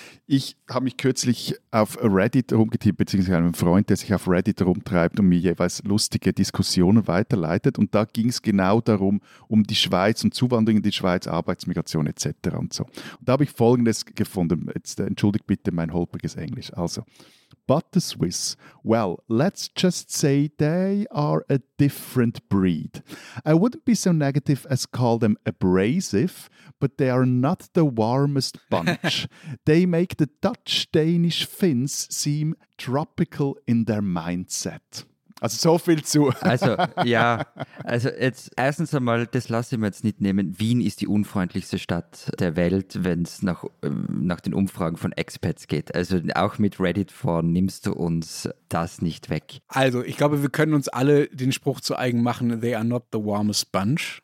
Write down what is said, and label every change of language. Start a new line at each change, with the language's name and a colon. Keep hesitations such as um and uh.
German: Ich habe mich kürzlich auf Reddit rumgetippt, beziehungsweise einem Freund, der sich auf Reddit rumtreibt und mir jeweils lustige Diskussionen weiterleitet. Und da ging es genau darum, um die Schweiz und Zuwanderung in die Schweiz, Arbeitsmigration etc. Und so. Und da habe ich Folgendes gefunden. Jetzt entschuldigt bitte mein holpriges Englisch.
English: Also. but the Swiss? Well, let's just say they are a different breed. I wouldn't be so negative as call them abrasive, but they are not the warmest bunch. they make the Dutch Danish Finns seem tropical in their mindset.
German: Also so viel zu. Also ja, also jetzt erstens einmal, das lasse ich mir jetzt nicht nehmen. Wien ist die unfreundlichste Stadt der Welt, wenn es nach, nach den Umfragen von Expats geht. Also auch mit Reddit vor nimmst du uns das nicht weg. Also, ich glaube, wir können uns alle den Spruch zu eigen machen,
English: they are not the warmest bunch.